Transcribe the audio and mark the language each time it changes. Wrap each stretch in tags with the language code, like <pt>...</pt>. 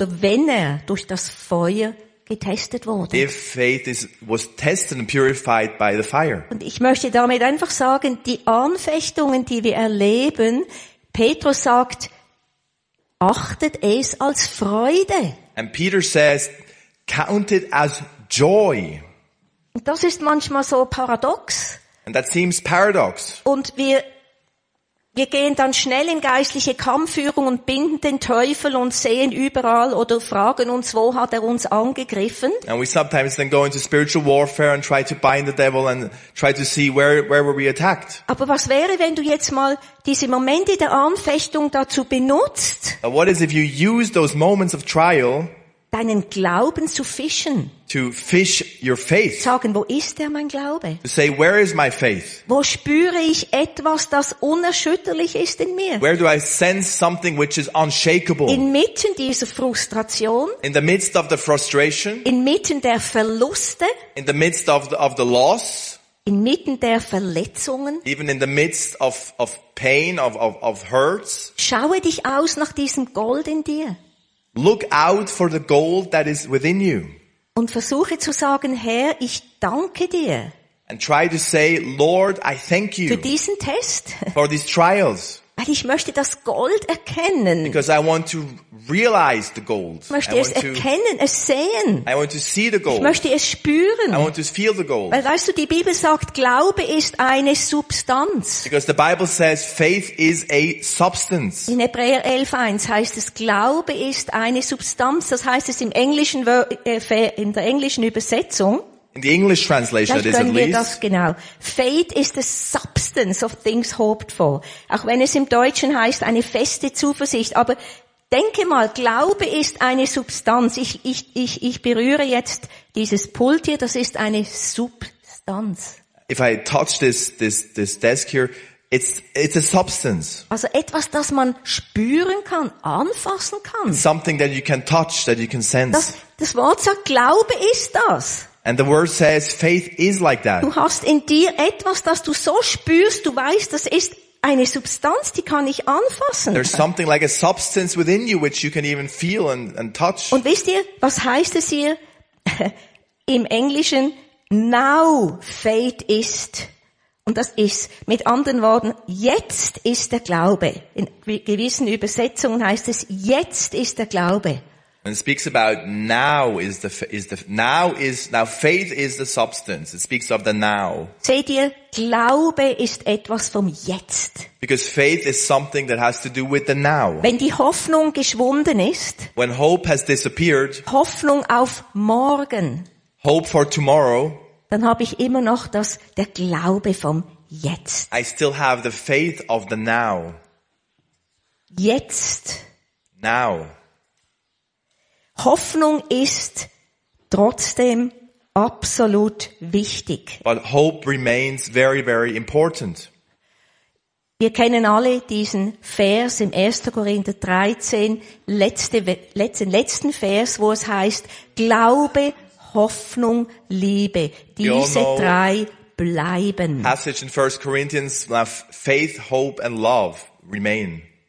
<de>Wenn er durch das Feuer getestet wurde.</de> <en>If faith was tested and purified by the fire.</en> <de>Und ich möchte damit einfach sagen, die Anfechtungen, die wir erleben, Petrus sagt, achtet es als Freude.</de> <en>And Peter says, count it as joy.</en> <de>Und das ist manchmal so paradox.</de> <en>And that seems paradox.</en> <de>Und wir gehen dann schnell in geistliche Kampfführung und binden den Teufel und sehen überall oder fragen uns, wo hat er uns angegriffen?</de> <en>And we sometimes then go into spiritual warfare and try to bind the devil and try to see where were we attacked.</en> <de>Aber was wäre, wenn du jetzt mal diese Momente der Anfechtung dazu benutzt?</de> <en>But what is if you use those moments of trial?</en> <de>Deinen Glauben zu fischen.</de> <en>To fish your faith.</en> <de>Sagen, wo ist der mein Glaube?</de> <en>To say, where is my faith?</en> <de>Wo spüre ich etwas, das unerschütterlich ist in mir?</de> <en>Where do I sense something which is unshakable?</en> <de>Inmitten dieser Frustration.</de> <en>In the midst of the frustration.</en> <de>Inmitten der Verluste.</de> <en>In the midst of the loss.</en> <de>Inmitten der Verletzungen.</de> <en>Even in the midst of pain, of hurts.</en> <de>Schaue dich aus nach diesem Gold in dir.</de> <en>Look out for the gold that is within you.</en> <de>Und versuche zu sagen, Herr, ich danke dir.</de> <en>And try to say, Lord, I thank you.</en> <de>Für diesen Test.</de> <en>For these trials.</en> <de>Weil ich möchte das Gold erkennen.</de> <en>Because I want to realize the gold.</en> <de>Ich möchte es erkennen, es sehen.</de> <en>I want to see the gold.</en> <de>Ich möchte es spüren.</de> <en>I want to feel the gold.</en> <de>Weil weißt du, die Bibel sagt, Glaube ist eine Substanz.</de> <en>Because the Bible says faith is a substance.</en> <de>In Hebräer 11:1 heißt es, Glaube ist eine Substanz. Das heißt es im englischen, in der englischen Übersetzung.</de> <en>In the English translation, it is at least.</en> <de>Das, genau.</de> <en>Faith is the substance of things hoped for.</en> <de>Auch wenn es im Deutschen heißt, eine feste Zuversicht. Aber denke mal, Glaube ist eine Substanz. Ich berühre jetzt dieses Pult hier, das ist eine Substanz.</de> <en>If I touch this desk here, it's a substance.</en> <de>Also etwas, das man spüren kann, anfassen kann.</de> <en>It's something that you can touch, that you can sense.</en> <de>Das Wort sagt, Glaube ist das.</de> <en>And the word says faith is like that.</en> <de>Du hast in dir etwas, das du so spürst, du weißt, das ist eine Substanz, die kann ich anfassen.</de> <en>There's something like a substance within you which you can even feel and touch.</en> <de>Und wisst ihr, was heißt es hier im Englischen?</de> <en>Now faith is.</en> <de>Und das ist mit anderen Worten, jetzt ist der Glaube. In gewissen Übersetzungen heißt es, jetzt ist der Glaube.</de> <en>And it speaks about now is now faith is the substance. It speaks of the now.</en> <de>Seht ihr, Glaube ist etwas vom Jetzt.</de> <en>Because faith is something that has to do with the now.</en> <de>Wenn die Hoffnung geschwunden ist.</de> <en>When hope has disappeared.</en> <de>Hoffnung auf morgen.</de> <en>Hope for tomorrow.</en> <de>Dann habe ich immer noch das der Glaube vom Jetzt.</de> <en>I still have the faith of the now.</en> <de>Jetzt.</de> <en>Now.</en> <de>Hoffnung ist trotzdem absolut wichtig.</de> <en>But hope remains very, very important.</en> <de>Wir kennen alle diesen Vers im 1. Korinther 13, letzten Vers, wo es heißt, Glaube, Hoffnung, Liebe. Diese drei bleiben.</de> <en>Passage in 1. Corinthians, faith, hope and love remain.</en>